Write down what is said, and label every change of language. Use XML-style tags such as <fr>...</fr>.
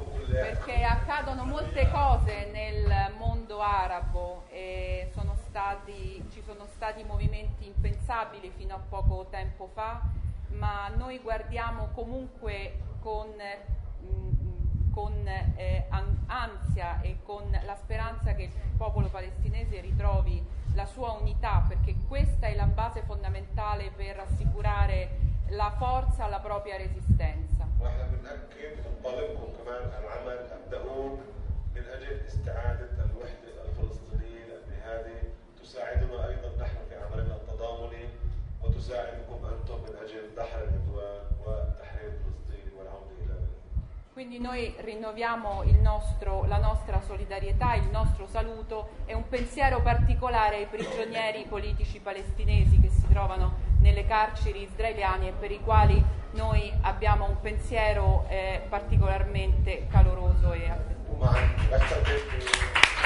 <it>Perché accadono molte cose nel mondo arabo e ci sono stati movimenti impensabili fino a poco tempo fa, ma noi guardiamo comunque con ansia e con la speranza che il popolo palestinese ritrovi la sua unità, perché questa è la base fondamentale per assicurare la forza alla propria resistenza.</it> <ar>واحنا بنأكد ونطالبكم كمان العمل الدؤوب من أجل استعادة الوحدة الفلسطينية، لأن هذه تساعدنا أيضا نحن في عملنا التضامني وتساعدكم أنتم من أجل دحر العدوان وتحرير فلسطين والعودة إلى</ar> <it>Quindi noi rinnoviamo la nostra solidarietà, il nostro saluto e un pensiero particolare ai prigionieri politici palestinesi che si trovano nelle carceri israeliane e per i quali noi abbiamo un pensiero particolarmente caloroso e affettuoso.</it>